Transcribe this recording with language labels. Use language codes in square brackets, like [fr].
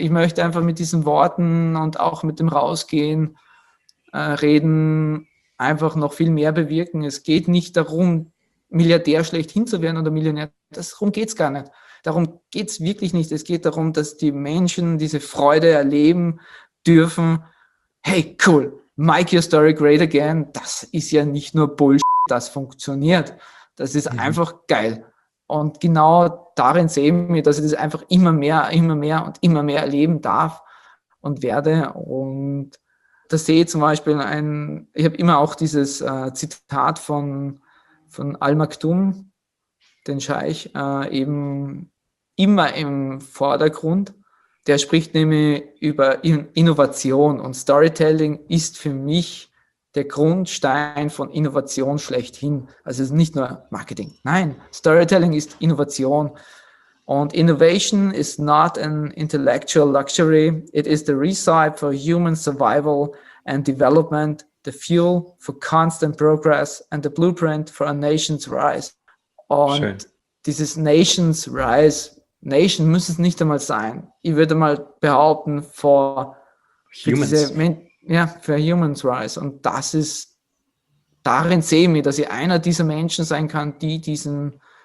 [de] Ich möchte einfach mit diesen Worten und auch mit dem Rausgehen reden, einfach noch viel mehr bewirken. Es geht nicht darum, Milliardär schlechthin zu werden oder Millionär, darum geht es gar nicht. Darum geht es wirklich nicht. Es geht darum, dass die Menschen diese Freude erleben dürfen. [en] Hey, cool, make your story great again. [de] Das ist ja nicht nur Bullshit. Das funktioniert. Das ist einfach geil. Und genau darin sehen wir, dass ich das einfach immer mehr und immer mehr erleben darf und werde. Und da sehe ich zum Beispiel ich habe immer auch dieses Zitat von Al-Maktoum, den Scheich, eben immer im Vordergrund. Der spricht nämlich über Innovation und Storytelling ist für mich der Grundstein von Innovation schlechthin. Also es ist nicht nur Marketing. Nein, Storytelling ist Innovation. [en] Und Innovation is not an intellectual luxury. It is the recipe for human survival and development, the fuel for constant progress and the blueprint for a nation's rise. [de] Und dieses Nation's Rise, Nation muss es nicht einmal sein. Ich würde mal behaupten, für Humans Rise. Und das ist, darin sehe ich mich, dass ich einer dieser Menschen sein kann, die diesen